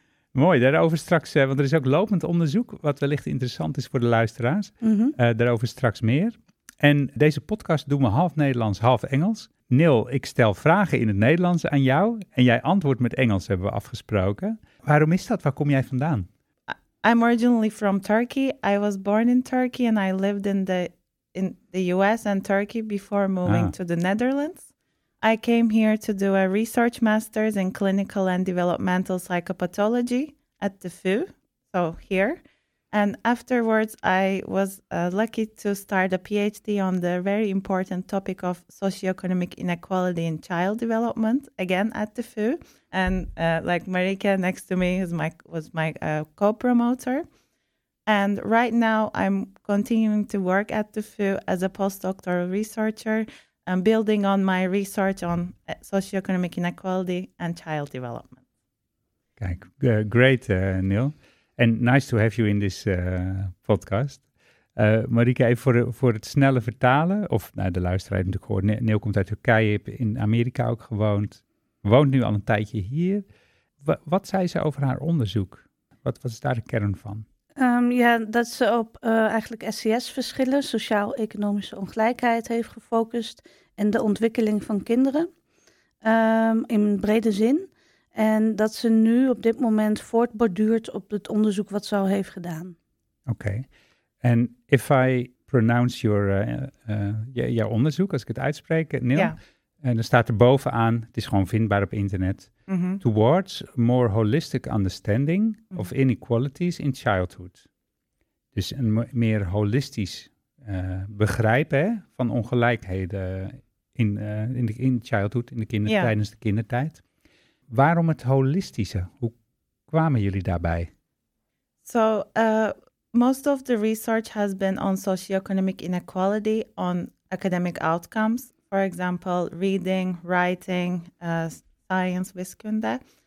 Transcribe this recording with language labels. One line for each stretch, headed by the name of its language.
Dutch: Mooi, daarover straks, want er is ook lopend onderzoek, wat wellicht interessant is voor de luisteraars. Mm-hmm. Daarover straks meer. En deze podcast doen we half Nederlands, half Engels. Neil, ik stel vragen in het Nederlands aan jou en jij antwoordt met Engels, hebben we afgesproken. Waarom is dat? Waar kom jij vandaan?
English: I'm originally from Turkey. I was born in Turkey and I lived in the US and Turkey before moving to the Netherlands. I came here to do a research master's in clinical and developmental psychopathology at the VU, so here. And afterwards, I was lucky to start a PhD on the very important topic of socioeconomic inequality in child development, again at the VU. And like Marieke next to me was my co-promoter. And right now, I'm continuing to work at the VU as a postdoctoral researcher and building on my research on socioeconomic inequality and child development.
Dutch: Kijk,
English: great, Neil. And nice to have you in this podcast.
Dutch: Marieke, even voor het snelle vertalen, of naar de luisteraar natuurlijk gehoord. Neil komt uit Turkije, heeft in Amerika ook gewoond, woont nu al een tijdje hier. Wat zei ze over haar onderzoek? Wat is daar de kern van? Ja, dat ze op eigenlijk SES-verschillen, sociaal-economische ongelijkheid, heeft gefocust en de ontwikkeling van kinderen in brede zin. En dat ze nu op dit moment voortborduurt op het onderzoek wat ze al heeft gedaan. Oké. En
English: if I pronounce your
Dutch: jouw onderzoek, als ik het uitspreek, Neil, ja. En dan staat er bovenaan, het is gewoon vindbaar op internet. Mm-hmm.
English: Towards more holistic understanding of inequalities in childhood.
Dutch: Dus een meer holistisch begrijpen van ongelijkheden in childhood, in de kindertijd, Tijdens de kindertijd. Waarom het holistische? Hoe kwamen jullie daarbij?
English: So, most of the research has been on socioeconomic inequality, on academic outcomes. For example, reading, writing, science, wiskunde.